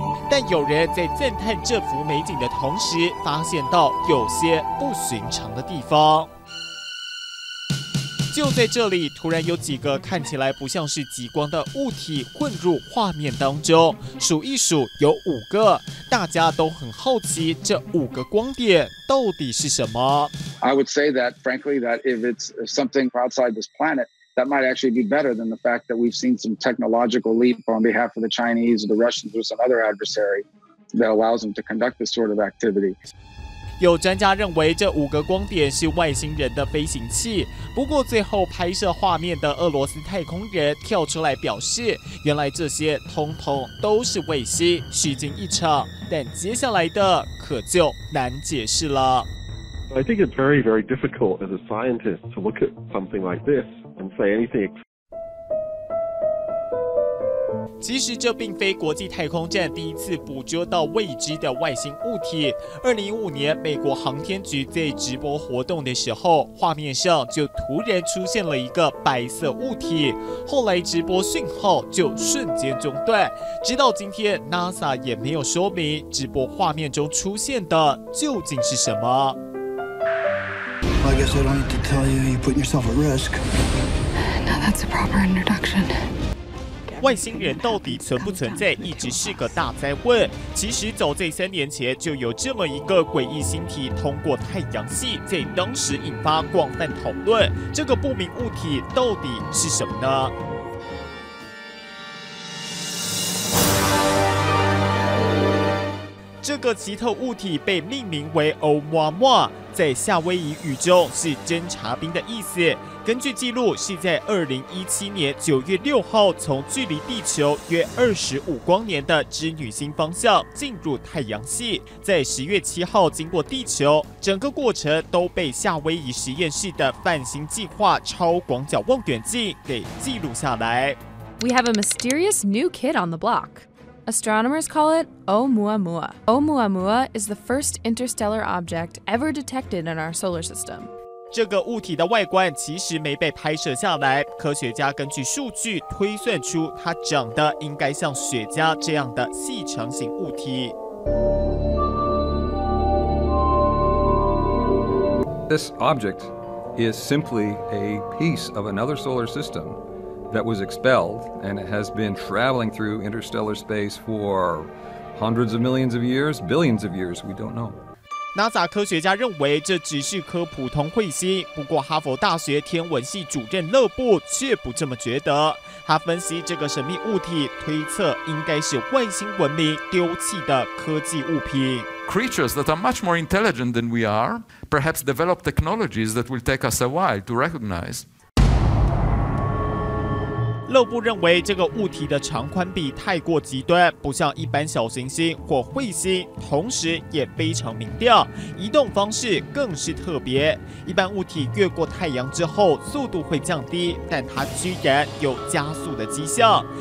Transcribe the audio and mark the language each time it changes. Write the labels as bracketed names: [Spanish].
[Chinese] 但有人在赞叹这幅美景的同时，发现到有些不寻常的地方。就在这里，突然有几个看起来不像是极光的物体混入画面当中，数一数有5个，大家都很好奇这5个光点到底是什么。 [English] I would say that, frankly, that if it's something outside this planet, that might actually be better than the fact that we've seen some technological leap on behalf of the Chinese or the Russians or some other adversary that allows them to conduct this sort of activity. [Chinese] 有专家认为这5个光点是外星人的飞行器，不过最后拍摄画面的俄罗斯太空人跳出来表示，原来这些通通都是卫星，虚惊一场，但接下来的可就难解释了。 [English] I think it's very, very difficult as a scientist to look at something like this and say anything. [Chinese] 其实这并非国际太空站第一次捕捉到未知的外星物体。 2015年，美国航天局在直播活动的时候，画面上就突然出现了一个白色物体，后来直播讯号就瞬间中断。直到今天 ，NASA 也没有说明直播画面中出现的究竟是什么。 [English] Well, I guess I don't need to tell you, you're putting yourself at risk. Now that's a proper introduction. [Chinese] 外星人到底存不存在，一直是个大灾问。其实早在3年前，就有这么一个诡异星体通过太阳系，在当时引发广泛讨论。这个不明物体到底是什么呢？这个奇特物体被命名为 Oumuamua， 在夏威夷语中是侦察兵的意思。根据记录，是在2017年9月6号从距离地球约25光年的织女星方向进入太阳系，在10月7号经过地球。整个过程都被夏威夷实验室的泛星计划超广角望远镜给记录下来。 [English] We have a mysterious new kid on the block. Astronomers call it Oumuamua. Oumuamua is the first interstellar object ever detected in our solar system. [Chinese] 这个物体的外观其实没被拍摄下来，科学家根据数据推算出它长得应该像雪茄这样的细长型物体。 [English] This object is simply a piece of another solar system. That was expelled and it has been traveling through interstellar space for hundreds of millions of years, billions of years, we don't know. [Chinese] NASA 科学家认为这只是颗普通彗星，不过哈佛大学天文系主任勒布却不这么觉得。他分析这个神秘物体，推测应该是外星文明丢弃的科技物品。 [English] Creatures that are much more intelligent than we are, perhaps develop technologies that will take us a while to recognize. [Chinese] 勒布认为这个物体的长宽比太过极端，不像一般小行星或彗星，同时也非常明亮，移动方式更是特别。一般物体越过太阳之后速度会降低，但它居然有加速的迹象。